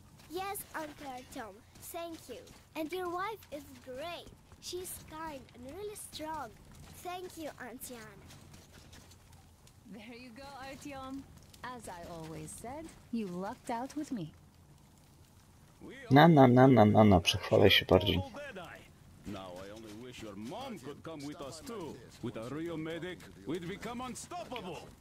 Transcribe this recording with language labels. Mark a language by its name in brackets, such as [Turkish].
[English] Yes, Uncle Artyom, thank you. And your wife is great. She's kind and really strong. Thank you, Auntie Anna. There you go, Artyom. As I always said, you lucked out with me. [Polish] Na, na, na, na, na, na, przechwalaj się bardziej. [English] Now I only wish your mom could come with us too. With a real medic, we'd become unstoppable.